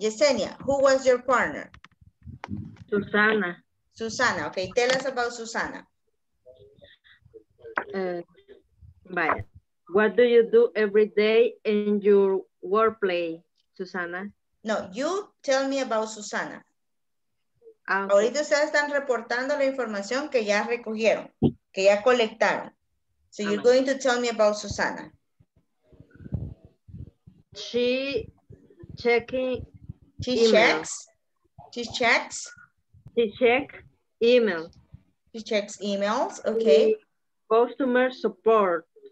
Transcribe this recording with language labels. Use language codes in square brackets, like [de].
[en] Yesenia, who was your partner? Susana. Susana. Okay. Tell us about Susana. Bye. What do you do every day in your workplace, Susana? No, you tell me about Susana. Okay. [es] Ahorita ustedes están reportando la información que ya recogieron, que ya colectaron. [en] So you're going to tell me about Susana. She checking. She email. Checks. She checks. She checks email. She checks emails. Okay. Customer support.